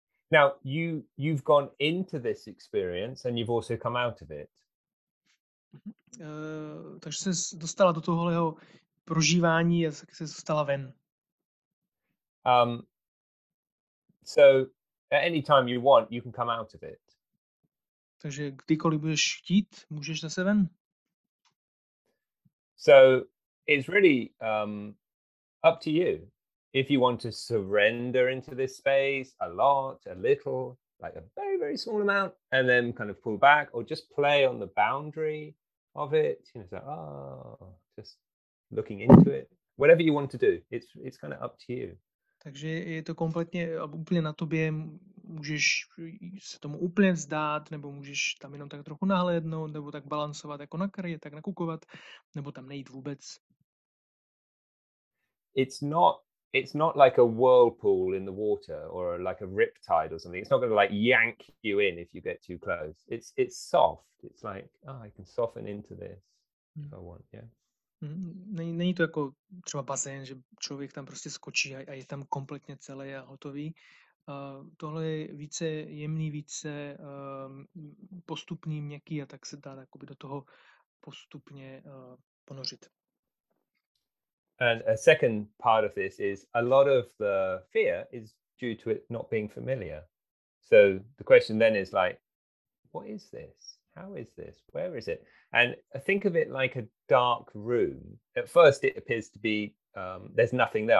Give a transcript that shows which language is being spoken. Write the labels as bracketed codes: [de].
[en] Now you've gone into this experience and you've also come out of it. [cs] Takže jsi dostala do tohohleho prožívání a jsi dostala ven. [en] So at any time you want, you can come out of it. [cs] Takže kdykoliv budeš chtít, můžeš zase ven. [en] So it's really up to you. If you want to surrender into this space a lot, a little, like a very, very small amount, and then kind of pull back or just play on the boundary of it, you know, say, just looking into it. Whatever you want to do, it's kind of up to you. [cs] Takže je to kompletně úplně na tobě, můžeš se tomu úplně vzdát, nebo můžeš tam jenom tak trochu nahlédnout, nebo tak balancovat jako na kraji, tak nakukovat, nebo tam nejít vůbec. [en] It's not like a whirlpool in the water or like a riptide or something. It's not going to like yank you in if you get too close. It's soft. It's like, I can soften into this if I want, yeah. [cs] Není to jako třeba bazén, že člověk tam prostě skočí a je tam kompletně celý a hotový. Tohle je více jemný, více postupný, měkký a tak se dá jakoby do toho postupně ponořit. [en] And a second part of this is a lot of the fear is due to it not being familiar. So the question then is like, what is this? How is this? Where is it? And think of it like a dark room. At first, it appears to be there's nothing there.